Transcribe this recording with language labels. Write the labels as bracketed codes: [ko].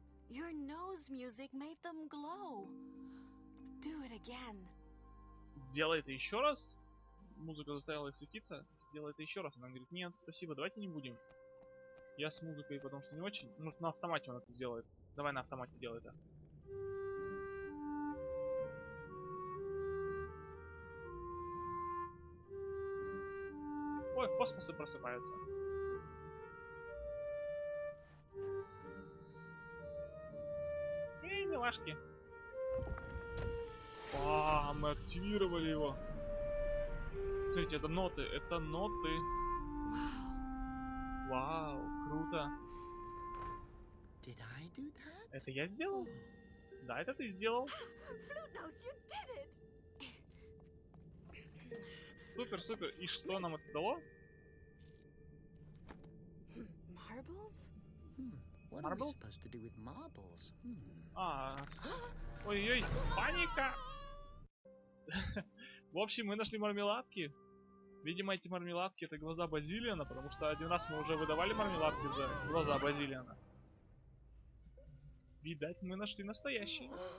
[en] Your nose music made them glow. Do it again. [ru] Сделай это еще раз. Музыка заставила их светиться. Делай это еще раз. Она говорит, нет, спасибо, давайте не будем. Я с музыкой, потому что не очень. Может, на автомате он это сделает. Давай на автомате делай это. Ой, космосы просыпаются. Эй, милашки. А, мы активировали его. Смотрите, это ноты, это ноты. Вау, круто. [en] Did I do that? [ru] Это я сделал? Да, это ты сделал. [en] Flute notes, you did it! [ru] Супер, супер. И что нам это дало? [en] Marbles? What are we supposed to do with marbles? [ru] А, ой-ой, паника! В общем, мы нашли мармеладки. Видимо, эти мармеладки — это глаза Базилиана, потому что один раз мы уже выдавали мармеладки за глаза Базилиана. Видать, мы нашли настоящие.